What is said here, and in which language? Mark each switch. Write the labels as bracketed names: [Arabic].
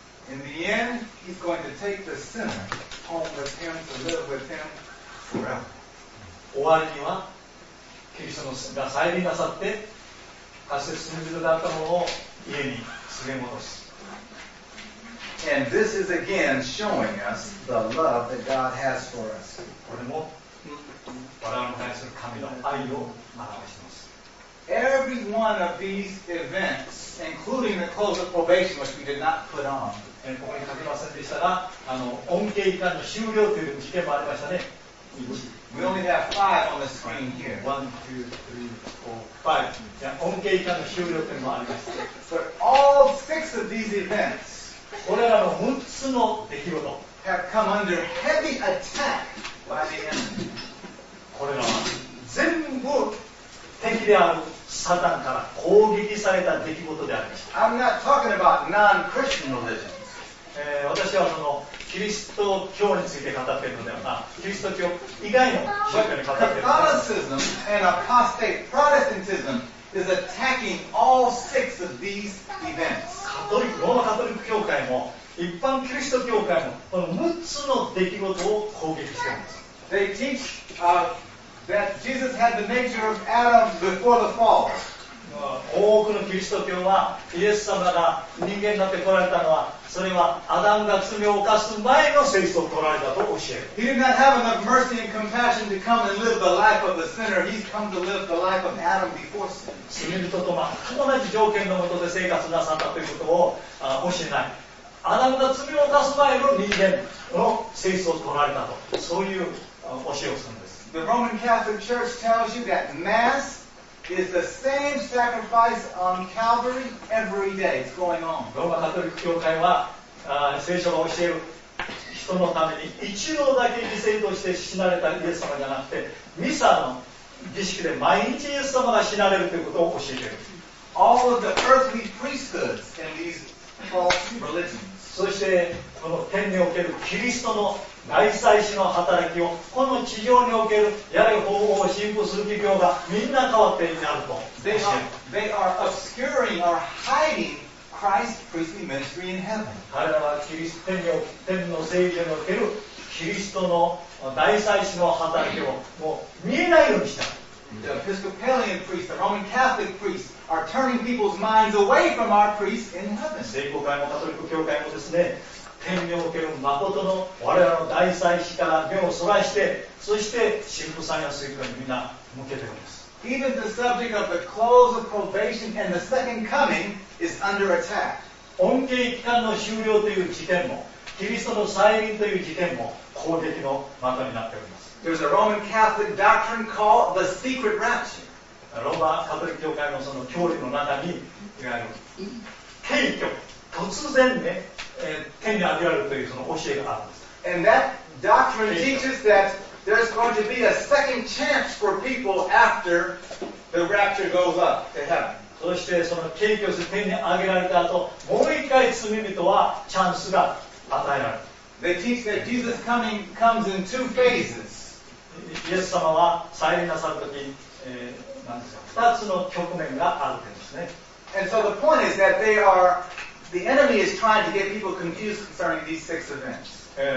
[English] In the end, he's going to take the sinner home with him to live with him forever. [Japanese] 終わりにはキリストが再臨なさって、かつて罪人だったものを家に連れ戻す。 [English] And this is again showing us the love that God has for us. [Japanese] これも我々に対する神の愛を表しています。 [English] Every one of these events, including the clothes of probation, which we did not put on, [Japanese] and ここに書きませんでしたが、あの恩恵期間の終了という事件もありましたね。 [English] We only have five on the screen here. One, two, three, four, five. [Japanese] じゃあ恩恵期間の終了というのもありまして。 [English] But all six of these events, [Japanese] これらの六つの出来事、 [English] have come under heavy attack by the enemy. [Japanese] これらは全部。敵であるサタンから攻撃された出来事でありました。 [English] I'm not talking about non-Christian religions. [Japanese] 私はそのキリスト教について語っているのではなく、キリスト教以外の宗教に語っているのではなく、 [English] Catholicism and apostate Protestantism is attacking all six of these events. [Japanese] カトリック、ローマカトリック教会も一般キリスト教会もこの6つの出来事を攻撃しています。 [English] They teach, That Jesus had the nature of Adam before the fall. [Japanese] 大多くのキリスト教はイエス様が人間になって来られたのはそれはアダムが罪を犯す前の性質を取られたと教える。 [English] He did not have enough mercy and compassion to come and live the life of the sinner. He's come to live the life of Adam before sin. [Japanese] 罪人と全く同じ条件のもとで生活なさったということを教えない。アダムが罪を犯す前の人間の性質を取られたと、そういう教えをするんです。 [English] The Roman Catholic Church tells you that Mass is the same sacrifice on Calvary every day. It's going on. [Japanese] ローマカトリック教会は、聖書が教える人のために一度だけ犠牲として死なれたイエス様じゃなくて、ミサの儀式で毎日イエス様が死なれるということを教えている。 [English] All of the earthly priesthoods in these false religions. [Japanese] そしてこの天におけるキリストの大祭司の働きをこの地上におけるやる方法を信奉する企業がみんな変わっていになると [English] they are obscuring or hiding Christ's priestly ministry in heaven. [Japanese] 彼らはキリスト天の聖者におけるキリストの大祭司の働きをもう見えないようにした。 [English] The Episcopalian priests, the Roman Catholic priests, are turning people's minds away from our priests in heaven. [Japanese] 聖公会もカトリック教会もですね。天における誠の我々の大祭司から目をそらしてそして神父さんや水君にみんな向けているんです。 [English] Even the subject of the close of probation and the second coming is under attack. [Japanese] 恩恵期間の終了という時点もキリストの再臨という時点も攻撃の的になっております。 [English] There's a Roman Catholic doctrine called the secret rapture. [Japanese] ローマカトリック教会のその教理の中にいわゆる謙虚突然ね、天に上げられるというその教えがあるんです。 [English] And that doctrine teaches that there's going to be a second chance for people after the rapture goes up to heaven. [Japanese] そしてその謙虚して天に上げられた後、もう一回罪人はチャンスが与えられる。 [English] They teach that Jesus coming comes in two phases. [Japanese] イエス様は再臨なさるとき、なんですか、二つの局面があるんですね。 [English] And so the point is that they are The enemy is trying to get people confused concerning these six events.